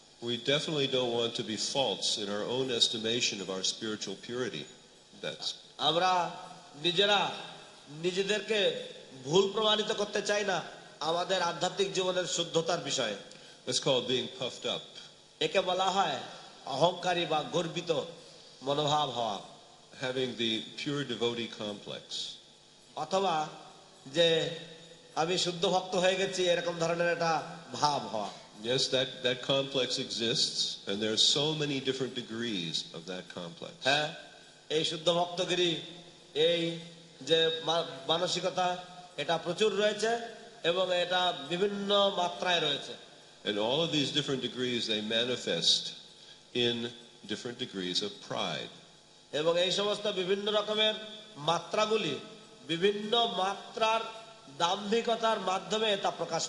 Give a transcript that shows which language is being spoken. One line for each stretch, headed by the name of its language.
English: We definitely don't want to be false in our own estimation of our spiritual purity. That's
Bangla: আমরা নিজেরা নিজেদেরকে ভুল প্রমাণিত করতে চাই না আমাদের আধ্যাত্মিক জীবনের শুদ্ধতার বিষয়ে।
English: It's called being puffed up.
Bangla: একে বলা হয় অহংকারী বা গর্বিত মনোভাব হওয়া।
English: Having the pure devotee complex.
Bangla: অথবা যে আমি শুদ্ধ ভক্ত হয়ে গেছি এরকম ধরনের একটা ভাব হওয়া।
English: Yes, that complex exists and there are so many different degrees of that complex.
Bangla: হ্যাঁ, এই শুদ্ধ ভক্তগিরি এই যে মানসিকতা এটা প্রচুর রয়েছে এবং এটা বিভিন্ন মাত্রায় রয়েছে।
English: And all of these different degrees they manifest in different degrees of pride.
Bangla: এবং এই সমস্ত বিভিন্ন রকমের মাত্রাগুলি বিভিন্ন মাত্রার দাম্ভিকতার মাধ্যমে তা প্রকাশ